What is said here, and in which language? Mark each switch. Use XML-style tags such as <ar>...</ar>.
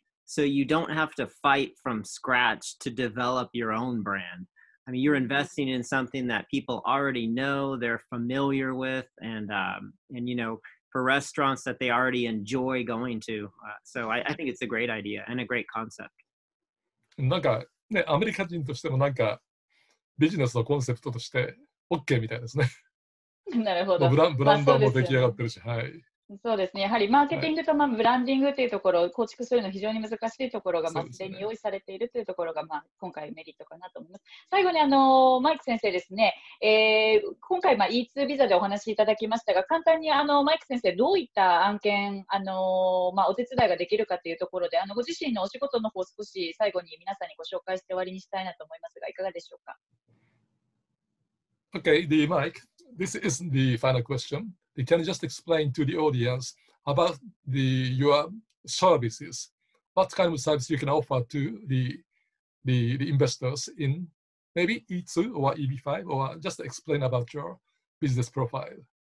<en>So you don't have to fight from scratch to develop your own brand. I mean, you're investing in something that people already know, they're familiar with, and you know, for restaurants that they already enjoy going to. So I think it's a great idea and a great concept.</en> <ja>なんかね、アメリカ人としてもなんかビジネスのコンセプトとして OK みたいですね。なるほど。ブランドも出来上がってるし、まあ、はい。そうですね、やはりマーケティングとまあブランディングというところを構築するの非常に難しいところがまあ既に用意されているというところがまあ今回メリットかなと思います。最後にマイク先生ですね、今回まあ E2 ビザでお話しいただきましたが、簡単にマイク先生、どういった案件、まあお手伝いができるかというところで、ご自身のお仕事の方を少し最後に皆さんにご紹介して終わりにしたいなと思いますが、いかがでしょうか。</ja> <en>Okay, the mic. This is the final question. Can you just explain to the audience about your services? What kind of services you can offer to the investors in maybe E2 or EB5? Or just explain about your business profile.</en>